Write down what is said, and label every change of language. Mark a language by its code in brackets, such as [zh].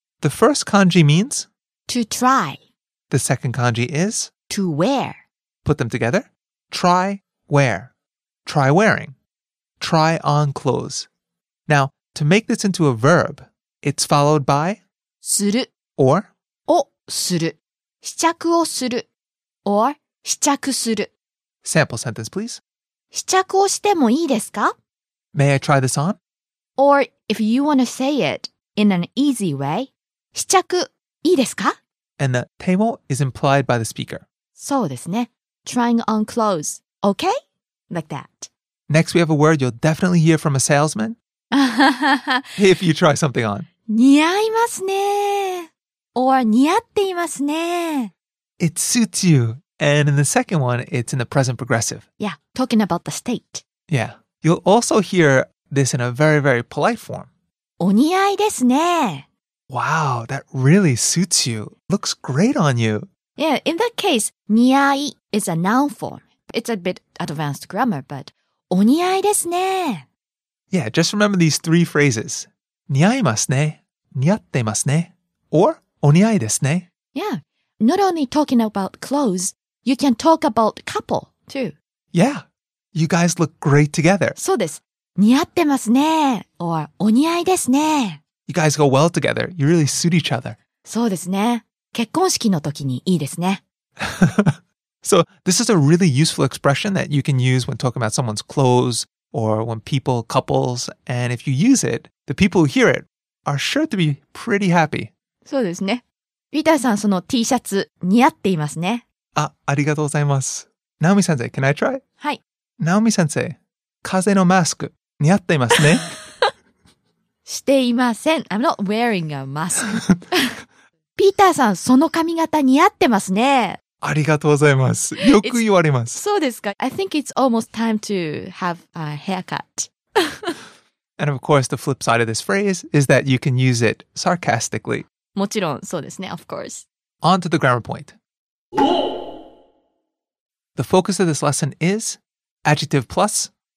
[en] The first kanji means? To try. The second kanji is? To wear. Put them together. Try, wear. Try wearing. Try on clothes. Now, to make this into a verb, it's followed by? [ja] する [en] Or? [ja] をする試着をする Or 試着する [en] Sample sentence, please. [ja] 試着をしてもいいですか? [en] May I try this on? Or if you want to say it in an easy way, [ja] 試着いいですか? [en] And the temo is implied by the speaker. [ja] そうですね。 [en] Trying on clothes, okay? Like that. Next, we have a word you'll definitely hear from a salesman. If you try something on. [ja] 似合いますね。 Or 似合っていますね。 [en] It suits you. And in the second one, it's in the present progressive. Yeah, talking about the state. Yeah. You'll also hear this in a very, very polite form. [ja] お似合いですね。 [en] Wow, that really suits you. Looks great on you. Yeah, in that case, 似合い is a noun form. It's a bit advanced grammar, but [ja] お似合いですね。 [en] Yeah, just remember these three phrases. [ja] 似合いますね。似合ってますね。Or お似合いですね。 [en] Yeah, not only talking about clothes, you can talk about couple too. Yeah, you guys look great together. [ja] そうです。似合ってますね。Or お似合いですね。 [en] You guys go well together. You really suit each other. [ja] そうですね。結婚式の時にいいですね。 [en] So this is a really useful expression that you can use when talking about someone's clothes or when people, couples, and if you use it, the people who hear it are sure to be pretty happy. [ja] そうですね。ピーターさん、その T シャツ似合っていますね。あ、ありがとうございます。 [en] ナオミ先生、can I try? [ja] はい。ナオミ先生、風のマスク似合っていますね。していません。 [en] I'm not wearing a mask. [ja] ピーターさん、その髪型似合ってますね。ありがとうございます。よく言われます。そうですか。 [en] I think it's almost time to have a haircut. And of course, the flip side of this phrase is that you can use it sarcastically. [ja] もちろん、そうですね。 [en] Of course. On to the grammar point. The focus of this lesson is adjective plus